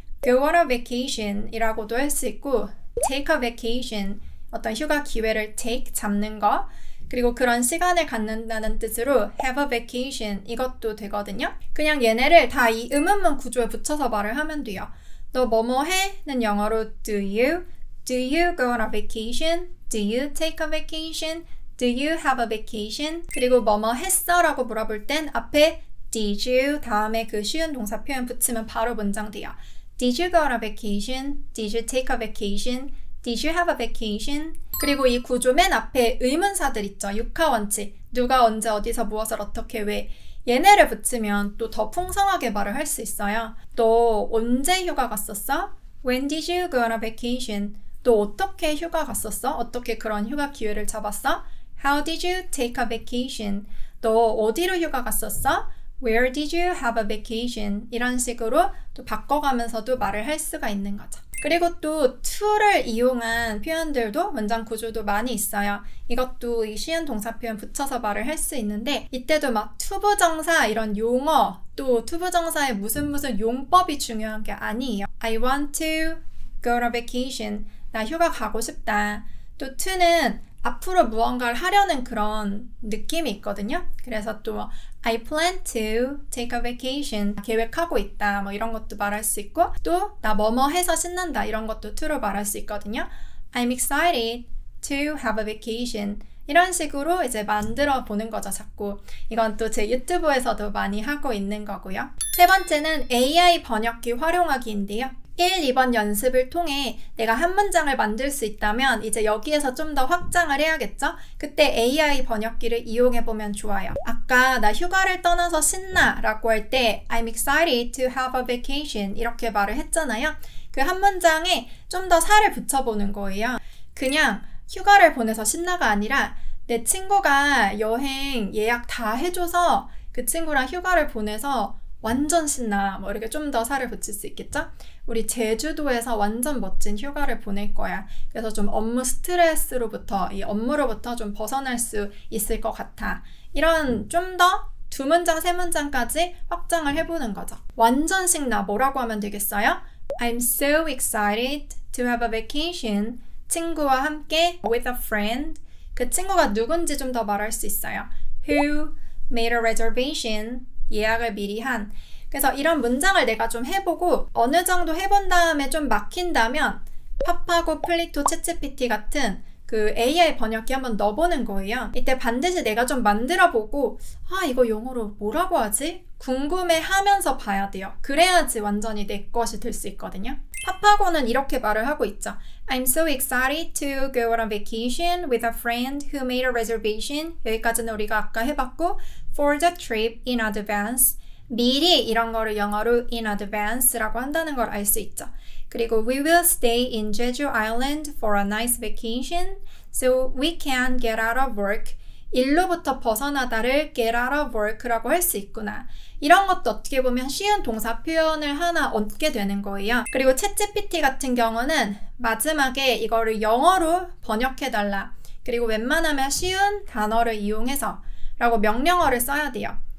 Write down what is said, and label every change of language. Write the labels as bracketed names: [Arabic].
[English] Go on a vacation [Korean] 이라고도 할수 있고 [English] take a vacation [Korean] 어떤 휴가 기회를 take 잡는 거 그리고 그런 시간을 갖는다는 뜻으로 [English] have a vacation [Korean] 이것도 되거든요. 그냥 얘네를 다이 음음문 구조에 붙여서 말을 하면 돼요. 너 뭐뭐 해?는 영어로 [English] do you? Do you go on a vacation? Do you take a vacation? Do you have a vacation? [Korean] 그리고 뭐뭐 했어? 라고 물어볼 땐 앞에 [English] Did you? [Korean] 다음에 그 쉬운 동사 표현 붙이면 바로 문장 돼요. [English] Did you go on a vacation? Did you take a vacation? Did you have a vacation? [Korean] 그리고 이 구조 맨 앞에 의문사들 있죠. 육하원칙. 누가 언제 어디서 무엇을 어떻게 왜 얘네를 붙이면 또 더 풍성하게 말을 할 수 있어요. 너 언제 휴가 갔었어? [English] When did you go on a vacation? [Korean] 너 어떻게 휴가 갔었어? 어떻게 그런 휴가 기회를 잡았어? [English] How did you take a vacation? [Korean] 너 어디로 휴가 갔었어? [English] Where did you have a vacation? [Korean] 이런 식으로 또 바꿔가면서도 말을 할 수가 있는 거죠. 그리고 또 to를 이용한 표현들도 문장 구조도 많이 있어요. 이것도 이 쉬운 동사 표현 붙여서 말을 할 수 있는데 이때도 막 to 부정사 이런 용어 또 to 부정사의 무슨 무슨 용법이 중요한 게 아니에요. [English] I want to go on a vacation. [Korean] 나 휴가 가고 싶다. 또 to는 앞으로 무언가를 하려는 그런 느낌이 있거든요. 그래서 또 [English] I plan to take a vacation. [Korean] 계획하고 있다. 뭐 이런 것도 말할 수 있고 또 나 뭐뭐 해서 신난다. 이런 것도 to로 말할 수 있거든요. [English] I'm excited to have a vacation. [Korean] 이런 식으로 이제 만들어 보는 거죠. 자꾸 이건 또 제 유튜브에서도 많이 하고 있는 거고요. 세 번째는 AI 번역기 활용하기인데요. 1, 2번 연습을 통해 내가 한 문장을 만들 수 있다면 이제 여기에서 좀 더 확장을 해야겠죠? 그때 AI 번역기를 이용해 보면 좋아요. 아까 나 휴가를 떠나서 신나 라고 할 때 [English] I'm excited to have a vacation [Korean] 이렇게 말을 했잖아요. 그 한 문장에 좀 더 살을 붙여보는 거예요. 그냥 휴가를 보내서 신나가 아니라 내 친구가 여행 예약 다 해줘서 그 친구랑 휴가를 보내서 완전 신나 뭐 이렇게 좀 더 살을 붙일 수 있겠죠? 우리 제주도에서 완전 멋진 휴가를 보낼 거야. 그래서 좀 업무 스트레스로부터 이 업무로부터 좀 벗어날 수 있을 것 같아. 이런 좀 더 두 문장 세 문장까지 확장을 해보는 거죠. 완전 신나 뭐라고 하면 되겠어요? [English] I'm so excited to have a vacation. [Korean] 친구와 함께 [English] with a friend. [Korean] 그 친구가 누군지 좀 더 말할 수 있어요. [English] Who made a reservation? [Korean] 예약을 미리 한. 그래서 이런 문장을 내가 좀 해보고 어느 정도 해본 다음에 좀 막힌다면 파파고, 플리토, 챗GPT 같은 그 AI 번역기 한번 넣어보는 거예요. 이때 반드시 내가 좀 만들어보고 아 이거 영어로 뭐라고 하지? 궁금해하면서 봐야 돼요. 그래야지 완전히 내 것이 될 수 있거든요. 파파고는 이렇게 말을 하고 있죠. [English] I'm so excited to go on a vacation with a friend who made a reservation. [Korean] 여기까지는 우리가 아까 해봤고 [English] for the trip in advance. [Korean] 미리 이런 거를 영어로 in advance라고 한다는 걸 알 수 있죠. [English] 그리고 we will stay in Jeju Island for a nice vacation so we can get out of work. [Korean] 일로부터 벗어나다를 [English] get out of work [Korean] 라고 할 수 있구나. 이런 것도 어떻게 보면 쉬운 동사 표현을 하나 얻게 되는 거예요. 그리고 ChatGPT 같은 경우는 마지막에 이거를 영어로 번역해 달라. 그리고 웬만하면 쉬운 단어를 이용해서 라고 명령어를 써야 돼요.